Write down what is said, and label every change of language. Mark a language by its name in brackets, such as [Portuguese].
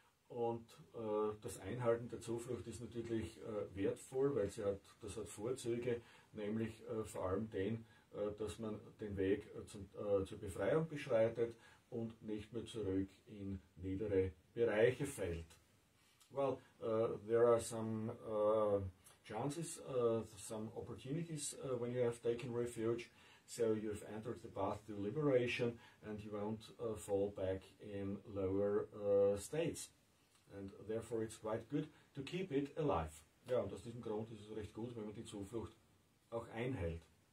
[German] Und das Einhalten der Zuflucht ist natürlich wertvoll, weil sie hat, das hat Vorzüge, nämlich vor allem den, dass man den Weg zur Befreiung beschreitet und nicht mehr zurück in niedere Bereiche fällt. [English] Well, there are some chances, some opportunities when you have taken refuge. So you've entered the path to liberation and you won't fall back in lower states. And therefore it's quite good to keep it alive. [German] Ja, und aus diesem Grund ist es recht gut, wenn man die Zuflucht auch einhält.